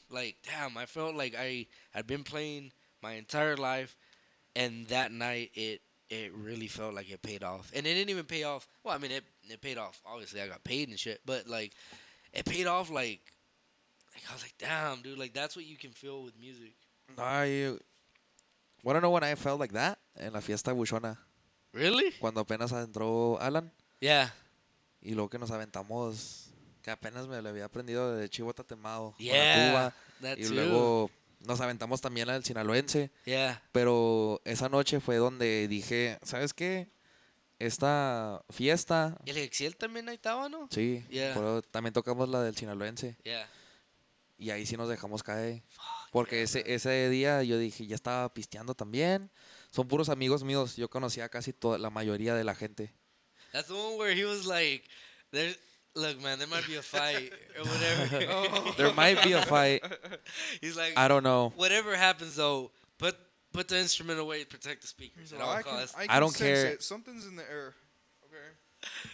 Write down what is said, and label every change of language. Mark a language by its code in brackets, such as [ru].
[en] Like, damn, I felt like I had been playing my entire life, and that night it really felt like it paid off. And it didn't even pay off. Well, I mean, it paid off. Obviously, I got paid and shit. But, like, it paid off, like I was like, damn, dude, like, that's what you can feel with music. Want to know when I felt like that? [es] En la fiesta buchona. [en] Really? [es] Cuando apenas entró Alan. [en] Yeah. [es] Y luego que nos aventamos, que apenas me lo había aprendido de Chivo Tatemado. [en] Yeah, [es] Cuba, [en] that [es] y [en] too. [es] Y luego nos aventamos también al sinaloense. [en] Yeah. [es] Pero esa noche fue donde dije, ¿sabes qué? Esta fiesta. ¿Y el Exiel también ahí estaba, no? Sí. [en] Yeah. [es] Pero también tocamos la del sinaloense. [en] Yeah. [es] Y ahí sí nos dejamos caer. Porque ese día yo dije, ya estaba pisteando también. Son puros amigos míos. Yo conocía casi toda la mayoría de la gente. [en] That's the one where he was like, look, man, there might be a fight or whatever. There might be a fight. He's like, I don't know. Whatever happens, though, put the instrument away to protect the speakers. At all costs. I don't care. It. Something's in the air. Okay.